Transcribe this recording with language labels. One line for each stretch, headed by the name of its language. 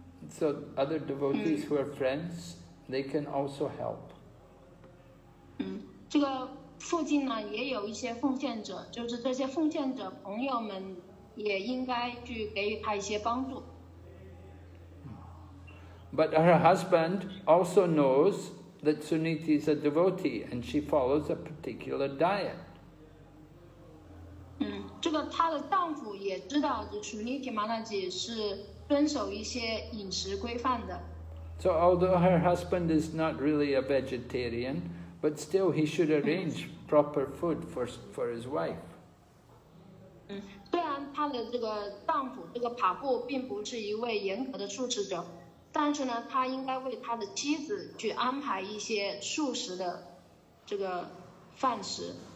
English: So other devotees who are friends, they can also help.
Chinese: 这个附近呢也有一些奉献者，就是这些奉献者朋友们也应该去给予他一些帮助。
English: But her husband also knows that Suniti is a devotee and she follows a particular diet.
Chinese: 这个她的丈夫也知道这 Suniti Manaji 是遵守一些饮食规范的。
English: So although her husband is not really a vegetarian, but still he should arrange proper food for his wife.
Chinese: 虽然她的这个丈夫这个帕布并不是一位严格的素食者，但是呢他应该为他的妻子去安排一些素食的这个饭食。